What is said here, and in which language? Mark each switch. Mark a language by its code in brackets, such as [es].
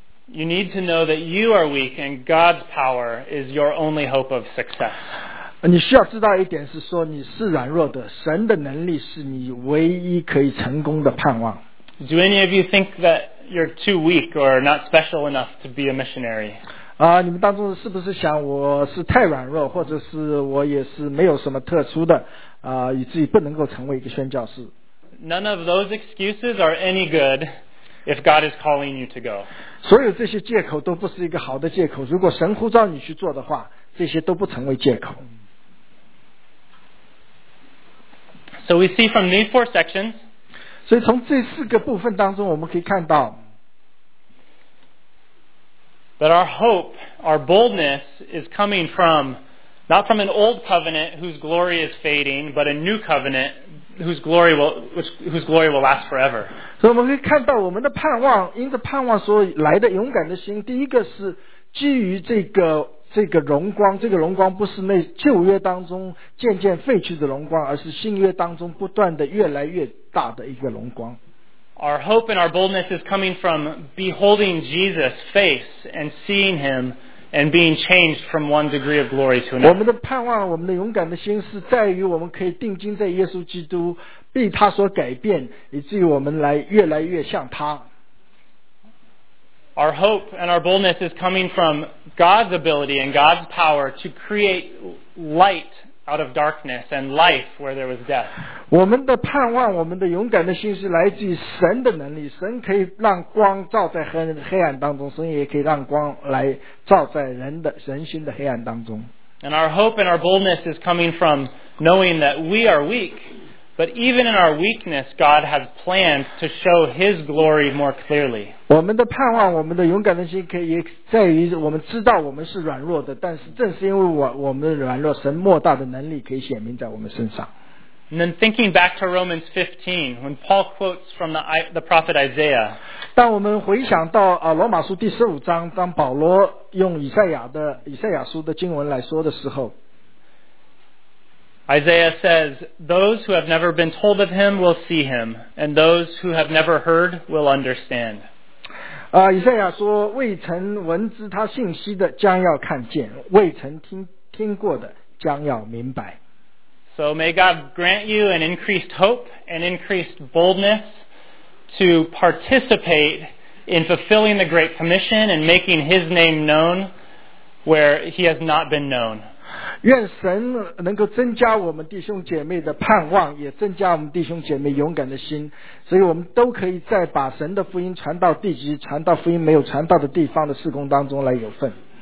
[en] You need to know that you are weak and God's power is your only hope of success. [zh] 你需要知道一点是说你是软弱的，神的能力是你唯一可以成功的盼望。 [en] Do any of you think that you're too weak or not special enough to be a missionary? [zh] 你们当中是不是想我是太软弱，或者是我也是没有什么特殊的，以至于不能够成为一个宣教士。 [en] None of those excuses are any good. If God is calling you to go. [zh] 所有这些借口都不是一个好的借口，如果神呼召你去做的话，这些都不成为借口。 [en] So we see from these four sections, [zh] 所以从这四个部分当中我们可以看到 [en] that our hope, our boldness is coming from not from an old covenant whose glory is fading, but a new covenant whose glory will last forever. [zh] 所以我们可以看到我们的盼望因着盼望所来的勇敢的心，第一个是基于这个荣光，这个荣光不是那旧约当中渐渐废去的荣光，而是新约当中不断的越来越大的一个荣光。 [en] Our hope and our boldness is coming from beholding Jesus' face and seeing himand being changed from one degree of glory to another. [zh] 我们的盼望我们的勇敢的心是在于我们可以定睛在耶稣基督被他所改变以至于我们来越来越像他。 [en] Our hope and our boldness is coming from God's ability and God's power to create light out of darkness and life where there was death. [zh] 我们的盼望我们的勇敢的心是来自于神的能力，神可以让光照在黑暗当中，神也可以让光来照在人心的黑暗当中。 [en] And our hope and our boldness is coming from knowing that we are weak, but even in our weakness, God has plans to show His glory more clearly. [zh] 我们的盼望我们的勇敢的心可以在于我们知道我们是软弱的，但是正是因为我们软弱，神莫大的能力可以显明在我们身上。 [en] And then thinking back to Romans 15, when Paul quotes from the prophet Isaiah. [zh] 当我们回想到罗马书第十五章，当保罗用以赛亚书的经文来说的时候， [en] Isaiah says, "Those who have never been told of him will see him, and those who have never heard will understand." [zh] 以赛亚说，未曾闻知他信息的将要看见，未曾听过的将要明白。 [en] So may God grant you an increased hope and increased boldness to participate in fulfilling the Great Commission and making His name known where He has not been known. [zh] 愿神能够增加我们弟兄姐妹的盼望，也增加我们弟兄姐妹勇敢的心，所以我们都可以在把神的福音传到地极，传到福音没有传到的地方的事工当中来有份。